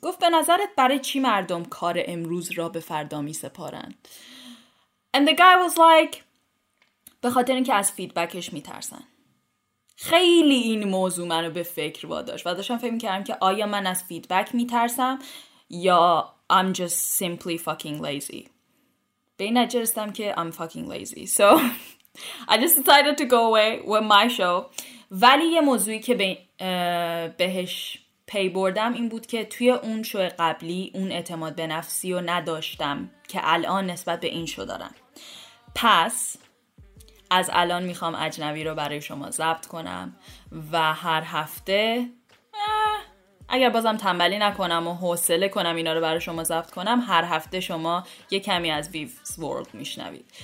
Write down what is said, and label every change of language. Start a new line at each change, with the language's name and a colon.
Persian: گفت به نظرت برای چی مردم کار امروز را به فردا میسپارند؟
English: And the guy was like
Persian: به خاطر اینکه از فیدبکش میترسن. خیلی این موضوع منو به فکر واداشت و داشتم فکر میکردم که آیا من از فیدبک میترسم یا
English: I'm just simply fucking lazy.
Persian: به این نجه رستم که
English: I'm fucking lazy. So I just decided to go away with my show.
Persian: ولی یه موضوعی که بهش پی بردم این بود که توی اون شو قبلی اون اعتماد به نفسی رو نداشتم که الان نسبت به این شو دارم. پس از الان میخوام اجنبی رو برای شما ضبط کنم و هر هفته اگر بازم تنبلی نکنم و حوصله کنم اینا رو برای شما ضبط کنم، هر هفته شما یه کمی از ویوز ورلد میشنوید.